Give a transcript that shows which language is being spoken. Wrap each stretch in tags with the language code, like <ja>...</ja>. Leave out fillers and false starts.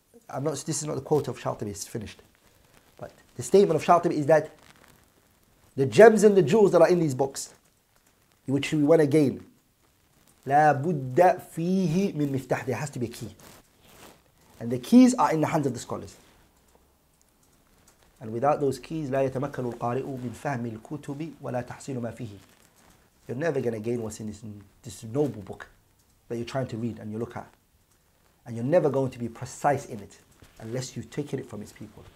<en>This is not the quote of Shatibi, it's finished. But the statement of Shatibi is that the gems and the jewels that are in these books, which we want to gain,</en> <ar>لا بد فيه من مفتاح</ar> <en>There has to be a key. And the keys are in the hands of the scholars. And without those keys,</en> <ar>لا يتمكن القارئ من فهم الكتب ولا تحصيل ما فيه.</ar> <en>You're never going to gain what's in this noble book that you're trying to read and you look at. And you're never going to be precise in it unless you've taken it from its people.</en>